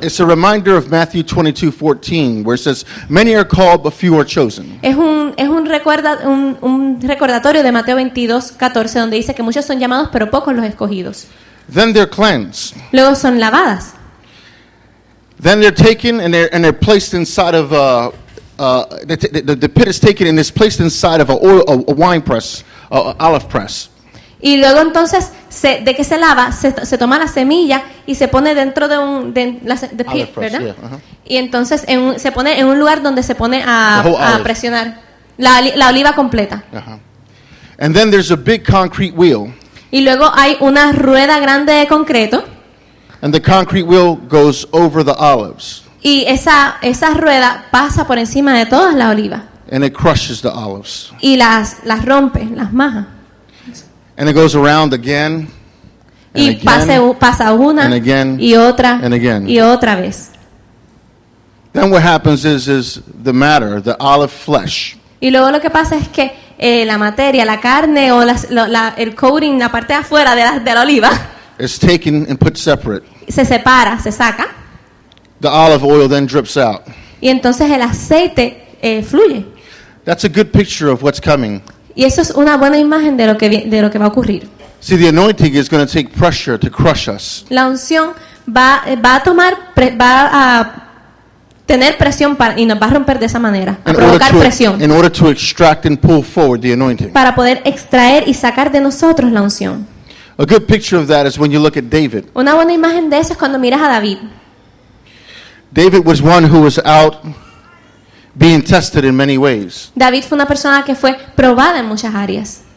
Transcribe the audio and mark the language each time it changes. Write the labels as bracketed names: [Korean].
[English] It's a reminder of Matthew 22:14, where it says, "Many are called, but few are chosen." [Spanish] Es un recordatorio de Mateo 22:14, donde dice que muchos son llamados, pero pocos los escogidos. [English] Then they're cleansed. [Spanish] Luego son lavadas. [English] Then they're taken and they're placed inside of the pit is taken and is placed inside of a wine press, a olive press. [Spanish] Y luego entonces de que se lava se toma la semilla y se pone dentro de un de pie, [English] press, [Spanish] ¿verdad? [English] Yeah, uh-huh. [Spanish] Y entonces se pone en un lugar donde se pone a presionar la oliva completa. [English] Uh-huh. And then there's a big concrete wheel. [Spanish] Y luego hay una rueda grande de concreto. [English] And the concrete wheel goes over the olives. [Spanish] Y esa rueda pasa por encima de todas las olivas. [English] And it crushes the olives. [Spanish] Y las rompe, las maja. [English] And it goes around again and [Spanish] y [English] again, [Spanish] pasa una [English] and again, [Spanish] y otra [English] and again. [Spanish] Y otra vez. [English] Then what happens is the matter, the olive flesh. [Spanish] Y luego lo que pasa es que la materia, la carne o el coating, la parte de afuera de la oliva. [English] It's taken and put separate. [Spanish] Se separa, se saca. [English] The olive oil then drips out. [Spanish] Y entonces el aceite fluye. [English] That's a good picture of what's coming. [Spanish] Y eso es una buena imagen de lo que va a ocurrir. [English] See, the anointing is going to take pressure to crush us. [Spanish] La unción va a tener presión para, y nos va a romper de esa manera, a provocar presión. [English] In order to extract and pull forward the anointing. [Spanish] Para poder extraer y sacar de nosotros la unción. [English] A good picture of that is when you look at David. [Spanish] Una buena imagen de eso es cuando miras a David. [English] David was one who was out being tested in many ways. [Spanish] David fue una persona que fue probada en muchas áreas.